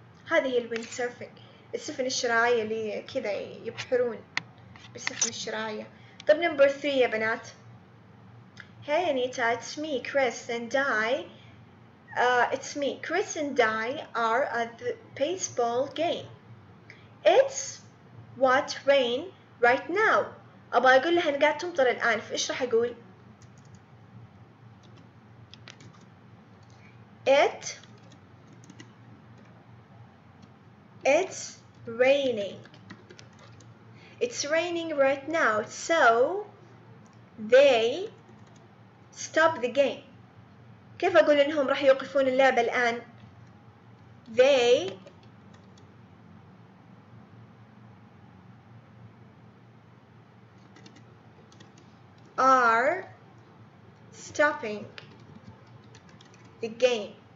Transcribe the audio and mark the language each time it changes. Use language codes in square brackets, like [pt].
[ar] هذه هي windsurfing، السفن الشراعية اللي كذا يبحرون بالسفن الشراعية. طب نمبر 3 يا بنات. [en] Hey Anita, it's me Chris and I it's me Chris and I are at the baseball game. It's what rain right now. [ar] أبغى أقول لها قاعد تمطر الآن، فإيش راح أقول؟ [en] It's raining. It's raining right now, so they stop the game. [ar] كيف أقول إنهم راح يوقفون اللعبة الآن؟ [en] they are stopping the game.